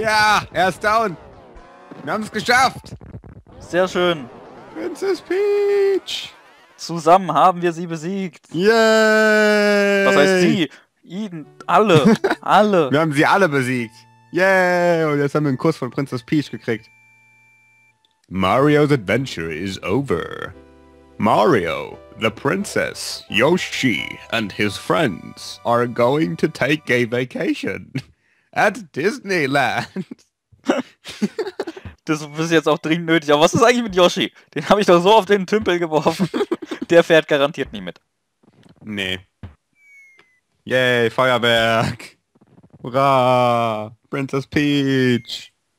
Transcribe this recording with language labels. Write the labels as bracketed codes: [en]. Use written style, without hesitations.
[de] Ja, er ist down. Wir haben es geschafft. Sehr schön. [en] Princess Peach. [de] Zusammen haben wir sie besiegt. Yay. Was heißt sie? Eden, alle. Alle. Wir haben sie alle besiegt. Yay. Und jetzt haben wir einen Kuss von Princess Peach gekriegt. [en] Mario's adventure is over. Mario, the princess, Yoshi and his friends are going to take a vacation. At Disneyland. [de] Das ist jetzt auch dringend nötig. Aber was ist eigentlich mit Yoshi? Den habe ich doch so auf den Tümpel geworfen. Der fährt garantiert nie mit. Nee. Yay, Feuerwerk. Hurra, Princess Peach.